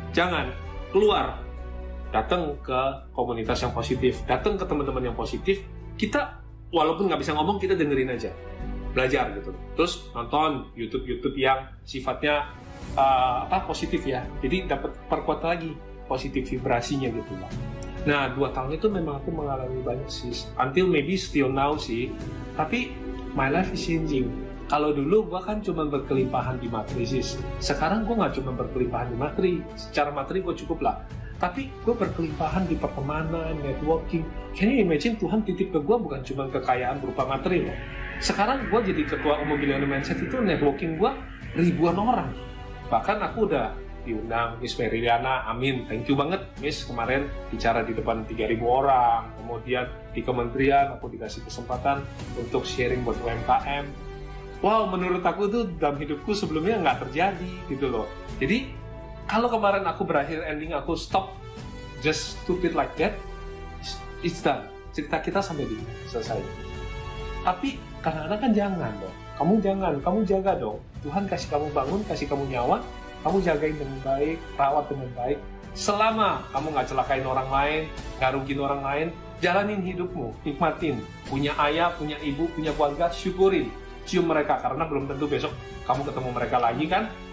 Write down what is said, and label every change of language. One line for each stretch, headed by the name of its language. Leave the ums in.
Indonesian: Jangan keluar, datang ke komunitas yang positif, datang ke teman-teman yang positif, kita walaupun nggak bisa ngomong, kita dengerin aja. Belajar gitu. Terus nonton YouTube-YouTube yang sifatnya uh, apa positif ya. Jadi dapat perkuat lagi positif vibrasinya gitu Nah, dua tahun itu memang aku mengalami banyak sih.
English: Until maybe still now
Indonesian: sih. Tapi,
English: my life is changing.
Indonesian: Kalau dulu gue kan cuma berkelimpahan di materi sih. Sekarang gue gak cuma berkelimpahan di materi. Secara materi gue cukup lah. Tapi gue berkelimpahan di pertemanan, networking.
English: Can you imagine
Indonesian: Tuhan titip ke gue bukan cuma kekayaan berupa materi loh. Sekarang gue jadi ketua umum Billionaire Mindset itu networking gue ribuan orang. Bahkan aku udah diundang Miss Meriliana amin. Thank you banget Miss kemarin bicara di depan 3.000 orang, kemudian di kementerian aku dikasih kesempatan untuk sharing buat UMKM. Wow, menurut aku itu dalam hidupku sebelumnya nggak terjadi gitu loh. Jadi, kalau kemarin aku berakhir ending, aku
English: stop just stupid like that, it's done.
Indonesian: Cerita kita sampai di sini, selesai. Tapi, karena anak kan jangan dong. Kamu jangan, kamu jaga dong. Tuhan kasih kamu bangun, kasih kamu nyawa, kamu jagain dengan baik, rawat dengan baik. Selama kamu nggak celakain orang lain, nggak rugiin orang lain, jalanin hidupmu, nikmatin. Punya ayah, punya ibu, punya keluarga, syukurin. Cium mereka, karena belum tentu besok kamu ketemu mereka lagi kan.